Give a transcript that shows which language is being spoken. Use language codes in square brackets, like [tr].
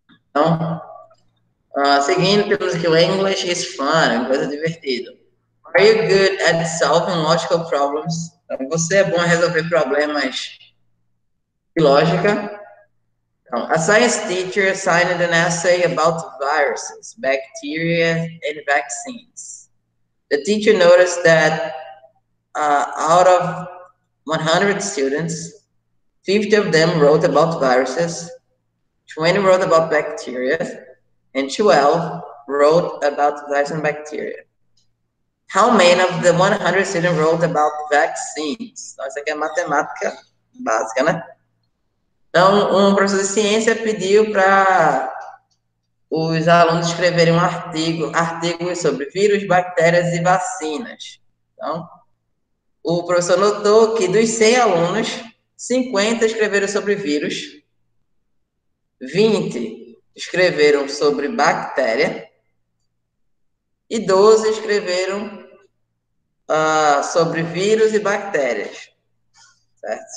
[pt] Então, seguindo, temos aqui o [en] English is fun, [pt] coisa divertida. [en] Are you good at solving logical problems? [pt] Então, você é bom a resolver problemas de lógica. [en] Então, a science teacher assigned an essay about viruses, bacteria and vaccines. The teacher noticed that out of 100 students, 50 of them wrote about viruses, 20 wrote about bacteria, and 12 wrote about viruses and bacteria. How many of the 100 students wrote about vaccines? [pt] Então, isso aqui é matemática básica, né? Então, um professor de ciência pediu para os alunos escreverem um artigo sobre vírus, bactérias e vacinas. Então, o professor notou que dos 100 alunos, 50 escreveram sobre vírus, 20 escreveram sobre bactéria e 12 escreveram sobre vírus e bactérias, certo?